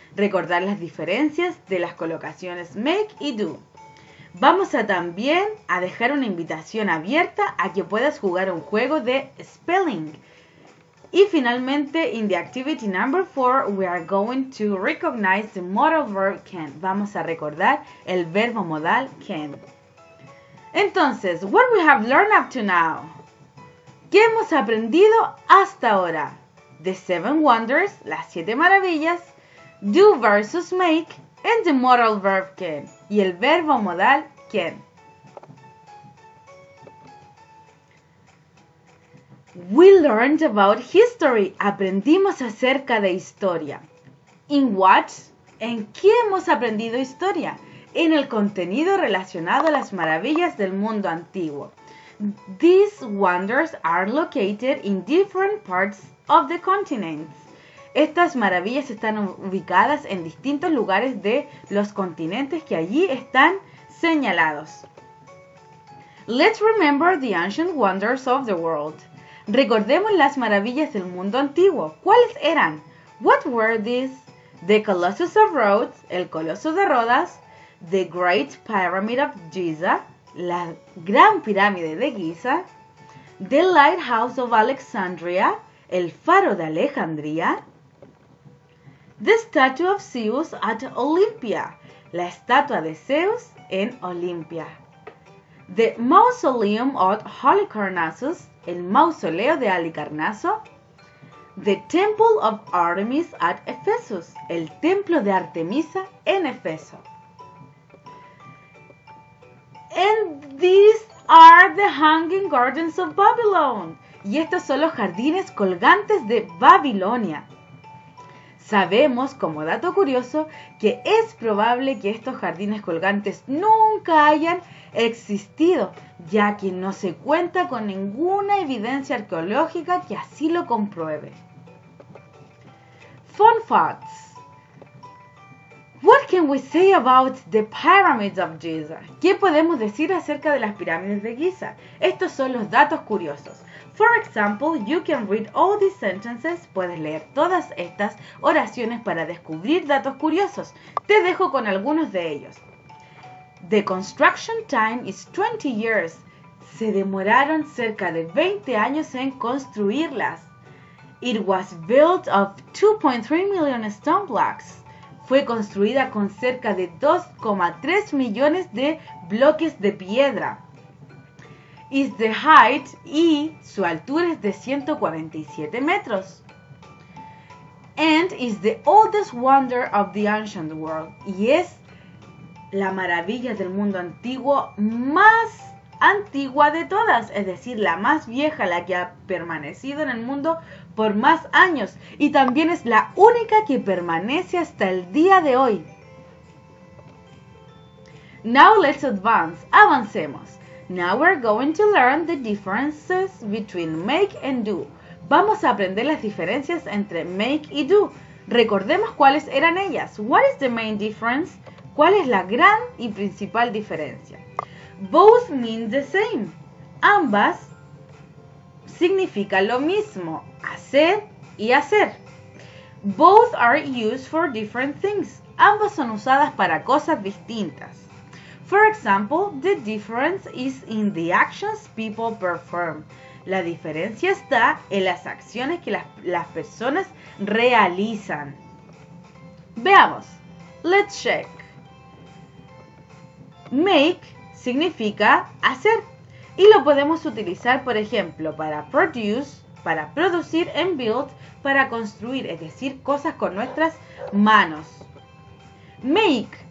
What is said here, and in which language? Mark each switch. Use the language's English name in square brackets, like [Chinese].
[Spanish] Recordar las diferencias de las colocaciones make y do. Vamos a también a dejar una invitación abierta a que puedas jugar un juego de spelling. Y finalmente, [English] in the activity number 4, we are going to recognize the modal verb can. [Spanish] Vamos a recordar el verbo modal can. Entonces, [English] what we have learned up to now? [Spanish] ¿Qué hemos aprendido hasta ahora? [English] The seven wonders, [Spanish] las siete maravillas, [English] do versus make, and the modal verb can, [Spanish] y el verbo modal can. [English] We learned about history. [Spanish] Aprendimos acerca de historia. [English] In what? [Spanish] ¿En qué hemos aprendido historia? En el contenido relacionado a las maravillas del mundo antiguo. [English] These wonders are located in different parts of the continent. [Spanish] Estas maravillas están ubicadas en distintos lugares de los continentes que allí están señalados. [English] Let's remember the ancient wonders of the world. [Spanish] Recordemos las maravillas del mundo antiguo. ¿Cuáles eran? [English] What were these? The Colossus of Rhodes, el Coloso de Rodas. The Great Pyramid of Giza, la Gran Pirámide de Giza, The Lighthouse of Alexandria, el Faro de Alejandría, The Statue of Zeus at Olympia, la Estatua de Zeus en Olimpia, The Mausoleum of Halicarnassus, el Mausoleo de Halicarnaso, The Temple of Artemis at Ephesus, el Templo de Artemisa en Efeso. And these are the Hanging Gardens of Babylon. [Spanish] Y estos son los jardines colgantes de Babilonia. Sabemos, como dato curioso, que es probable que estos jardines colgantes nunca hayan existido, ya que no se cuenta con ninguna evidencia arqueológica que así lo compruebe. [English] Fun facts. What can we say about the pyramids of Giza? [Spanish] ¿Qué podemos decir acerca de las pirámides de Giza? Estos son los datos curiosos. [English] For example, you can read all these sentences. [Spanish] Puedes leer todas estas oraciones para descubrir datos curiosos. Te dejo con algunos de ellos. [English] The construction time is 20 years. [Spanish] Se demoraron cerca de 20 años en construirlas. [English] It was built of 2.3 million stone blocks. [Spanish] Fue construida con cerca de 2,3 millones de bloques de piedra. [English] Is the height [Spanish] y su altura es de 147 metros. [English] And is the oldest wonder of the ancient world. [Spanish] Y es la maravilla del mundo antiguo más antigua de todas, es decir, la más vieja, la que ha permanecido en el mundo por más años, y también es la única que permanece hasta el día de hoy. [English] Now let's advance. [Spanish] Avancemos. [English] Now we're going to learn the differences between make and do. [Spanish] Vamos a aprender las diferencias entre make y do. Recordemos cuáles eran ellas. [English] What is the main difference? [Spanish] ¿Cuál es la gran y principal diferencia? [English] Both mean the same. [Spanish] Ambas significan lo mismo. Hacer y hacer. [English] Both are used for different things. [Spanish] Ambas son usadas para cosas distintas. [English] For example, the difference is in the actions people perform. [Spanish] La diferencia está en las acciones que las personas realizan. Veamos. [English] Let's check. [Spanish] Make significa hacer. Y lo podemos utilizar, por ejemplo, para produce, para producir, and build, para construir, es decir, cosas con nuestras manos. Make.